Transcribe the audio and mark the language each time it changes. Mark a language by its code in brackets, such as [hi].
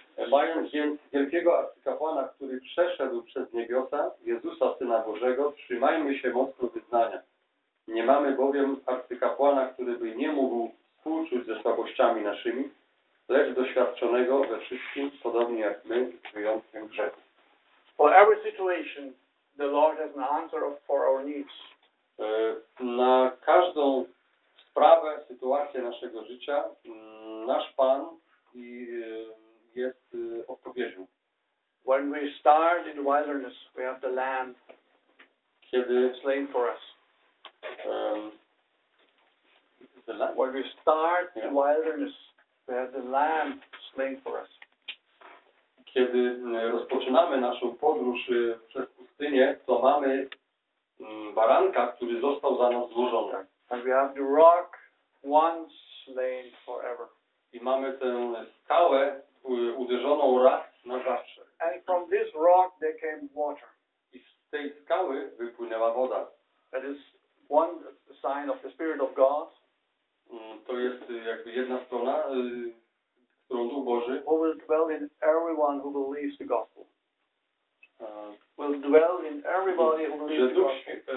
[pl] Mając więc wielkiego arcykapłana, który przeszedł przez niebiosa, Jezusa Syna Bożego, trzymajmy się mocno wyznania. Nie mamy bowiem arcykapłana, który by nie mógł współczuć ze słabościami naszymi, lecz doświadczonego we wszystkim, podobnie jak my, z wyjątkiem grzechu. [en] For every situation, the Lord has an answer for our needs. [pl] Na każdą sprawę, sytuację naszego życia, nasz Pan i jest odpowiedzią. [en] When we start in the wilderness, we have the lamb [pl] kiedy, [en] slain for us. The lamb. When we start in the wilderness, we have the lamb slain for us. [pl] Kiedy rozpoczynamy naszą podróż przez pustynię, to mamy baranka, który został za nas złożony. [en] And we have the rock once slain forever. [pl] I mamy tę skałę uderzoną raz na zawsze. [en] And from this rock there came water. [pl] I z tej skały wypłynęła woda. [en] That is one sign of the Spirit of God. [pl] To jest jakby jedna strona, którą Duch Boży. [en] Who will dwell in everyone who believes the gospel. Will dwell in everybody who believes the gospel.